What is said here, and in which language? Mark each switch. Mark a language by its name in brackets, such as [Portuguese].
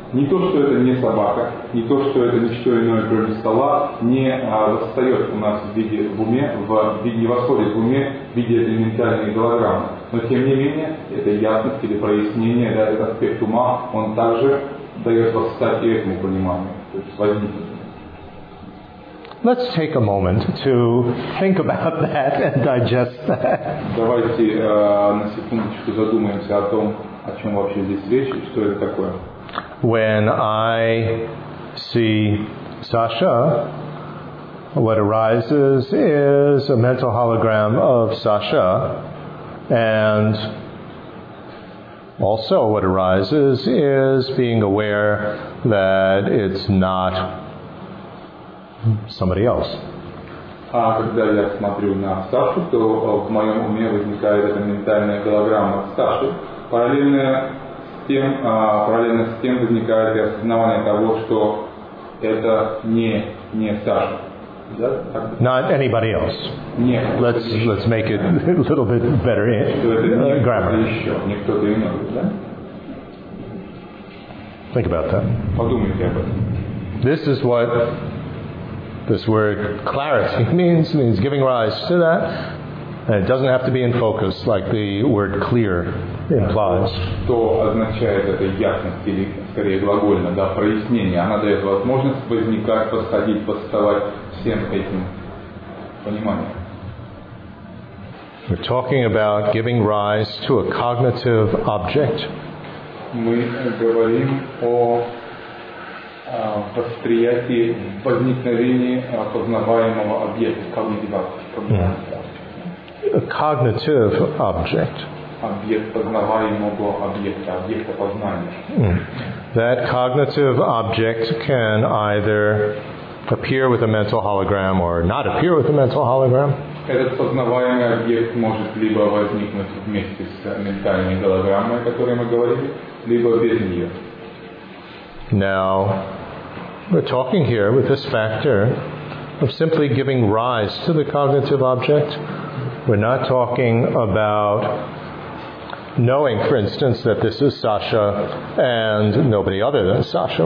[Russian] Не то, что это не собака, не то, что это не что иное, кроме стола, не восстает у нас в виде в уме, не восходит в уме в виде элементарной голограммы. Но тем не менее, это ясность или прояснение, да, этот аспект ума, он также дает восстать и этому пониманию. То есть возникнет. [English] Let's take a moment to think about that and digest that. [Russian] Давайте на секундочку задумаемся о том, о чем вообще здесь речь и что это такое. [English] When I see Sasha, what arises is a mental hologram of Sasha, and also what arises is being aware that it's not somebody else. [Russian] Когда я смотрю на Сашу, то в моем уме возникает эта ментальная голограмма Саши, параллельно с тем возникает и осознавание того, что это не Саша. Да? [English] Not anybody else. [Russian] Нет. [English] Let's make it a little bit better in grammar. [Russian] Еще не кто-то иной, да? [English] Think about that. [Russian] Подумайте об этом. [English] This is what this word clarity means. It means giving rise to that. And it doesn't have to be in focus, like the word clear implies. [Russian] Что означает эта ясность, или скорее глагольно, да, прояснение? Она дает возможность возникать, восходить, восставать всем этим пониманием. [English] We're talking about giving rise to a cognitive object. [Russian] Мы говорим о восприятии, возникновении познаваемого объекта, [English] cognitive object. A cognitive object. [Russian] Объект познаваемого объекта, объекта познания. [English] That cognitive object can either appear with a mental hologram or not appear with a mental hologram. [Russian] Этот познаваемый объект может либо возникнуть вместе с ментальной голограммой, о которой мы говорили, либо без нее. [English] Now, we're talking here with this factor of simply giving rise to the cognitive object. We're not talking about knowing, for instance, that this is Sasha and nobody other than Sasha.